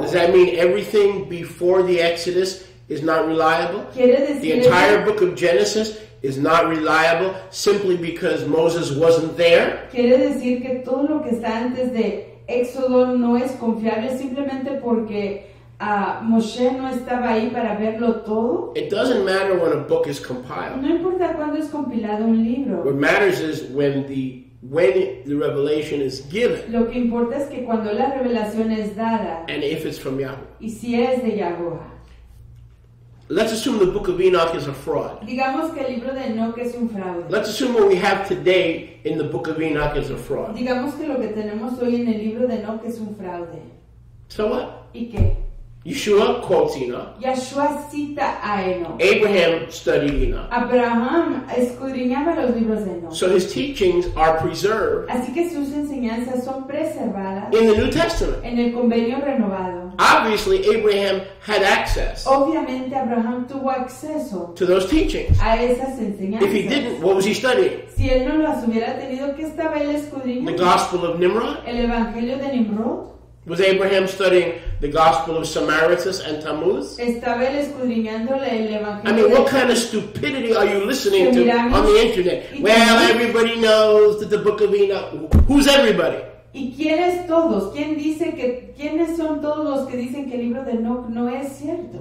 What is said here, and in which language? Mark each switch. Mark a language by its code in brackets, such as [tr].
[en] Does that mean everything before the Exodus is not reliable? [es] Quiere decir [en] the entire book of Genesis is not reliable simply because Moses wasn't there? [es] Quiere decir que todo lo que está antes de Éxodo no es confiable simplemente porque Moshe no estaba ahí para verlo todo. [en] It doesn't matter when a book is compiled. [es] No importa cuándo es compilado un libro. [en] What matters is when the revelation is given. [es] Lo que importa es que cuando la revelación es dada. [en] And if it's from Yahweh. [es] Y si es de Yahweh. [en] Let's assume the book of Enoch is a fraud. [es] Digamos que el libro de Enoch es un fraude. [en] Let's assume what we have today in the book of Enoch is a fraud. [es] Digamos que lo que tenemos hoy en el libro de Enoch es un fraude. [en] So what? [es] ¿Y qué? [en] Yeshua quotes Enoch. [es] Yeshua cita a Enoch. [en] Abraham studied Enoch. [es] Abraham escudriñaba los libros de Enoch. [en] So his teachings are preserved. [es] Así que sus enseñanzas son preservadas. [en] In the New Testament. [es] En el convenio renovado. [en] Obviously, Abraham had access. [es] Obviamente, Abraham tuvo acceso. [en] To those teachings. [es] A esas enseñanzas. [en] If he didn't, what was he studying? [es] Si él no las hubiera tenido, ¿qué estaba él escudriñando? [en] The Gospel of Nimrod. [es] El Evangelio de Nimrod. [en] Was Abraham studying the Gospel of Samaritus and Tammuz? [es] Estaba él escudriñando el Evangelio. [en] I mean, what kind of stupidity are you listening to on the internet? Well, everybody knows that the book of Enoch. Who's everybody? [es] ¿Y quiénes todos? ¿Quién dice que quiénes son todos los que dicen que el libro de Enoch no es cierto?